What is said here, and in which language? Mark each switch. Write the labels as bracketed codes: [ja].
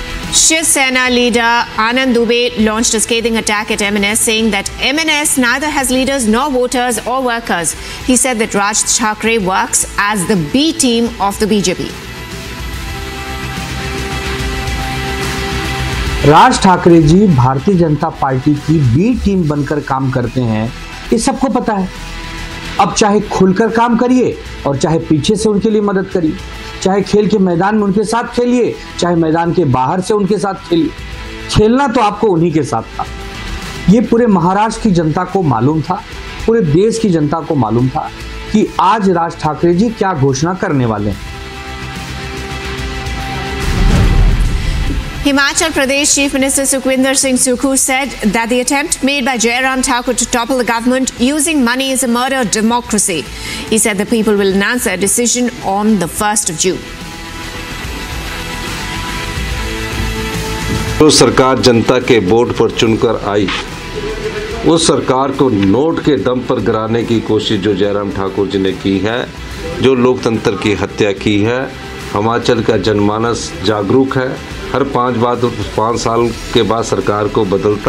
[en] Shiv Sena leader Anand Dubey launched a scathing attack at MNS saying that MNS neither has leaders nor voters or workers. He said that Raj Thackeray works as the B team of the BJP. [hi] Raj Thackeray ji Bharatiya Janata party की B team बनकर काम करते हैं, ये सबको पता है। अब चाहे खुलकर काम करिए और चाहे पीछे से उनके लिए मदद करिए, चाहे खेल के मैदान में उनके साथ खेलिए, चाहे मैदान के बाहर से उनके साथ खेलिए, खेलना तो आपको उन्हीं के साथ था। ये पूरे महाराष्ट्र की जनता को मालूम था, पूरे देश की जनता को मालूम था कि आज राज ठाकरे जी क्या घोषणा करने वाले हैं। [en] Himachal Pradesh Chief Minister Sukhvinder Singh Sukhu said that the attempt made by Jairam Thakur to topple the government using money is a murder of democracy. He said the people will announce their decision on the 1st of June. [hi] जो सरकार जनता के vote पर चुनकर आई उस सरकार को note के दम पर गिराने की कोशिश जो जयराम ठाकुर जी ने की है, जो लोकतंत्र की हत्या की है, हिमाचल का जनमानस जागरूक है, हर पांच साल के बाद सरकार को बदलता